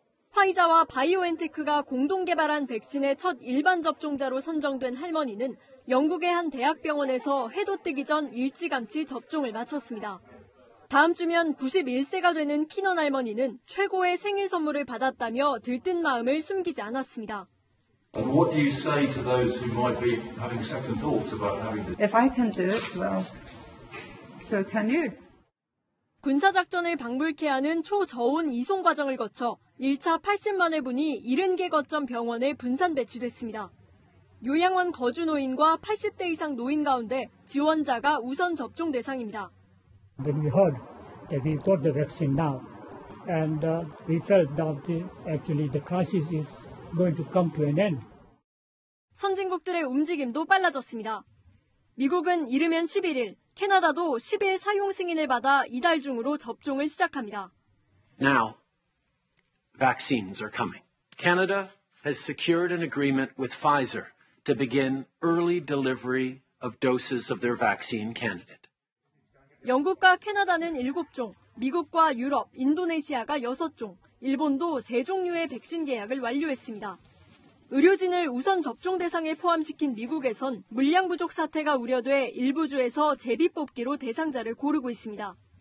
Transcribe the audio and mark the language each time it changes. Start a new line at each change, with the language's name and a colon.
Korean: 화이자와 바이오엔테크가 공동 개발한 백신의 첫 일반 접종자로 선정된 할머니는 영국의 한 대학병원에서 해도 뜨기 전 일찌감치 접종을 마쳤습니다. 다음 주면 91세가 되는 키넌 할머니는 최고의 생일 선물을 받았다며 들뜬 마음을 숨기지 않았습니다.
English: And what do you say to those who might be having second thoughts about having this? If I can do it, well, so can you.
Korean: 군사작전을 방불케 하는 초저온 이송 과정을 거쳐 1차 80만회 분이 70개 거점 병원에 분산 배치됐습니다. 요양원 거주 노인과 80대 이상 노인 가운데 지원자가 우선 접종 대상입니다.
English: When we heard that we got the vaccine now, and we felt that actually the crisis is going to come to an end.
Korean: 선진국들의 움직임도 빨라졌습니다. 미국은 이르면 11일, 캐나다도 10일 사용 승인을 받아 이달 중으로 접종을 시작합니다.
English: Now, vaccines are coming. Canada has secured an agreement with Pfizer to begin early delivery of doses of their vaccine candidate.
Korean: 영국과 캐나다는 7종, 미국과 유럽, 인도네시아가 6종, 일본도 3종류의 백신 계약을 완료했습니다. 의료진을 우선 접종 대상에 포함시킨 미국에선 물량 부족 사태가 우려돼 일부 주에서 제비 뽑기로 대상자를 고르고 있습니다.